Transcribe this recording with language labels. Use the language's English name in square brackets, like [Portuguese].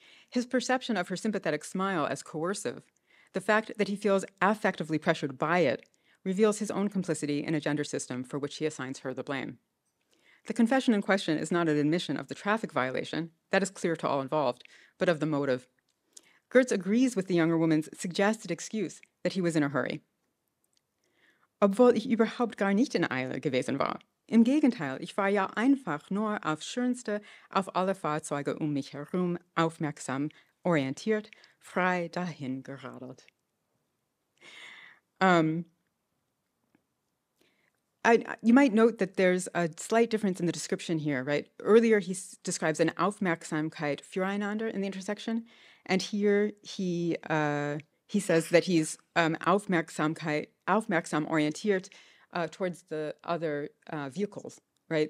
[English] His perception of her sympathetic smile as coercive, the fact that he feels affectively pressured by it, reveals his own complicity in a gender system for which he assigns her the blame. The confession in question is not an admission of the traffic violation, that is clear to all involved, but of the motive. Goetz agrees with the younger woman's suggested excuse that he was in a hurry. [German] Obwohl ich überhaupt gar nicht in Eile gewesen war. Im Gegenteil, ich war ja einfach nur auf Schönste, auf alle Fahrzeuge um mich herum aufmerksam, orientiert, frei dahin geradelt. [English] You might note that there's a slight difference in the description here, right? Earlier, he describes an Aufmerksamkeit füreinander in the intersection, and here he says that he's aufmerksam orientiert towards the other vehicles, right?